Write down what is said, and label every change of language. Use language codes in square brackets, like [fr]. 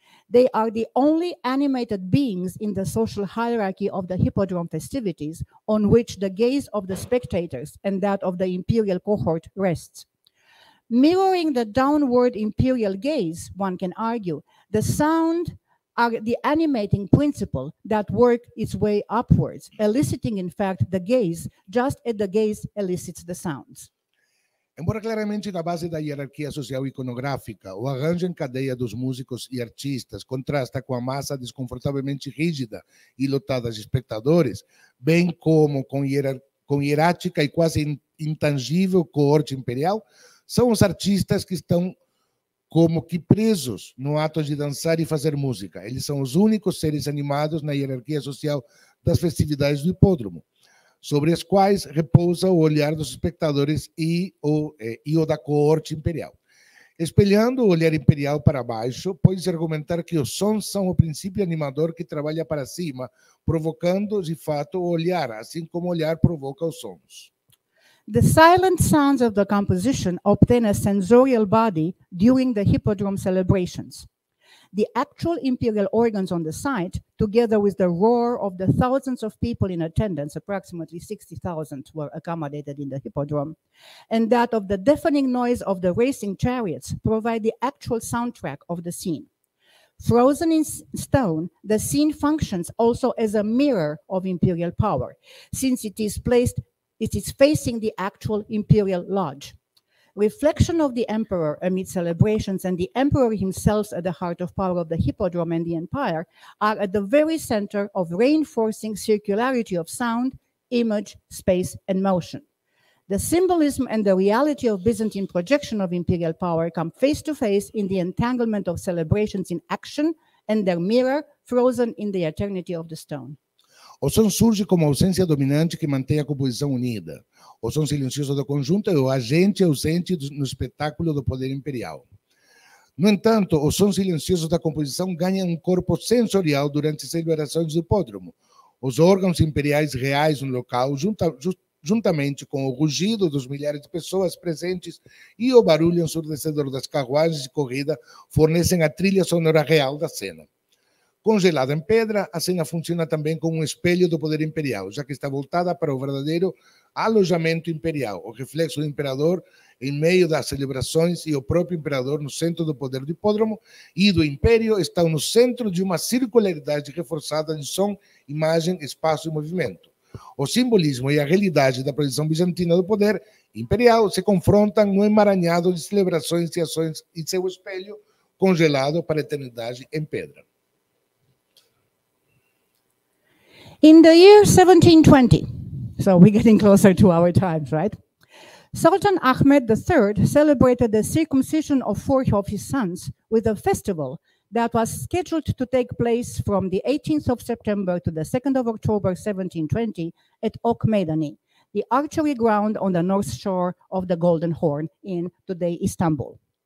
[en] They are the only animated beings in the social hierarchy of the hippodrome festivities on which the gaze of the spectators and that of the imperial cohort rests. Mirroring the downward imperial gaze, one can argue, the sound are the animating principle that work its way upwards, eliciting, in fact, the gaze just as the gaze elicits the sounds. [pt] Embora claramente na base da hierarquia social iconográfica, o arranjo em cadeia dos músicos e artistas contrasta com a massa desconfortavelmente rígida e lotada de espectadores, bem como com hierática e quase intangível coorte imperial, são os artistas que estão como que presos no ato de dançar e fazer música. Eles são os únicos seres animados na hierarquia social das festividades do hipódromo, sobre as quais repousa o olhar dos espectadores e o da coorte imperial. Espelhando o olhar imperial para baixo, pode-se argumentar que os sons são o princípio animador que trabalha para cima, provocando, de fato, o olhar, assim como o olhar provoca os sons. [en] The silent sounds of the composition obtain a sensorial body during the hippodrome celebrations. The actual imperial organs on the site, together with the roar of the thousands of people in attendance, approximately 60,000 were accommodated in the hippodrome, and that of the deafening noise of the racing chariots provide the actual soundtrack of the scene. Frozen in stone, the scene functions also as a mirror of imperial power, since it is facing the actual imperial lodge. Reflection of the emperor amid celebrations and the emperor himself at the heart of power of the hippodrome and the empire are at the very center of reinforcing circularity of sound, image, space, and motion. The symbolism and the reality of Byzantine projection of imperial power come face to face in the entanglement of celebrations in action and their mirror frozen in the eternity of the stone. [pt] O som surge como ausência dominante que mantém a composição unida. O som silencioso do conjunto é o agente ausente no espetáculo do poder imperial. No entanto, o som silencioso da composição ganha um corpo sensorial durante as celebrações do hipódromo. Os órgãos imperiais reais no local, juntamente com o rugido dos milhares de pessoas presentes e o barulho ensurdecedor das carruagens de corrida, fornecem a trilha sonora real da cena. Congelada em pedra, a cena funciona também como um espelho do poder imperial, já que está voltada para o verdadeiro alojamento imperial, o reflexo do imperador em meio das celebrações e o próprio imperador no centro do poder do hipódromo e do império estão no centro de uma circularidade reforçada de som, imagem, espaço e movimento. O simbolismo e a realidade da projeção bizantina do poder imperial se confrontam no emaranhado de celebrações e ações e seu espelho congelado para a eternidade em pedra. [en] In the year 1720, so we're getting closer to our times, right? Sultan Ahmed III celebrated the circumcision of four of his sons with a festival that was scheduled to take place from the 18th of September to the 2nd of October 1720 at Ok Meydani, the archery ground on the north shore of the Golden Horn in today Istanbul.